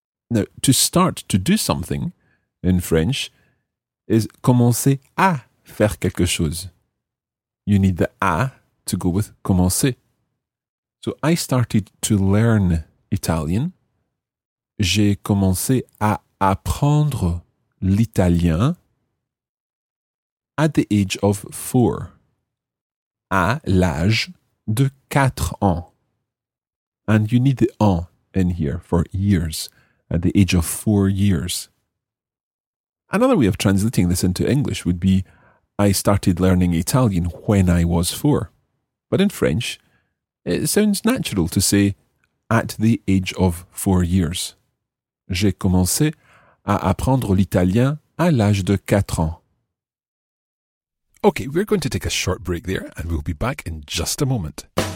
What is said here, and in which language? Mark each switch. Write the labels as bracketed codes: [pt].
[en] Now, to start to do something in French is [fr] commencer à faire quelque chose. [en] You need the à to go with commencer. So I started to learn Italian. [fr] J'ai commencé à apprendre l'italien [en] at the age of 4, [fr] à l'âge de 4 ans. [en] And you need the en in here for years, at the age of 4 years. Another way of translating this into English would be, I started learning Italian when I was 4. But in French, it sounds natural to say, at the age of 4 years. [fr] J'ai commencé à apprendre l'italien à l'âge de 4 ans. [en] Okay, we're going to take a short break there and we'll be back in just a moment.